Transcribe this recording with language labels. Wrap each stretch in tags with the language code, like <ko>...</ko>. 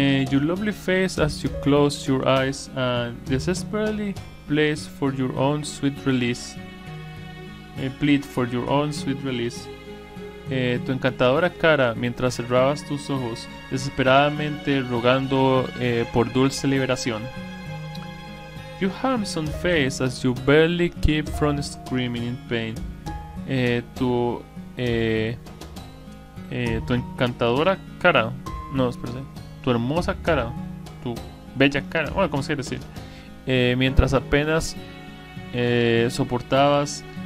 <en>Your lovely face as you close your eyes and desperately place for your own sweet release. Plead for your own sweet release.</en> <es>Tu encantadora cara mientras cerrabas tus ojos desesperadamente rogando por dulce liberación.</es> <en>Your handsome face as you barely keep from screaming in pain.</en> <es>Tu encantadora cara. No, espérate. Tu hermosa cara. Tu bella cara. Bueno, ¿cómo se quiere decir? Mientras apenas soportabas.</es>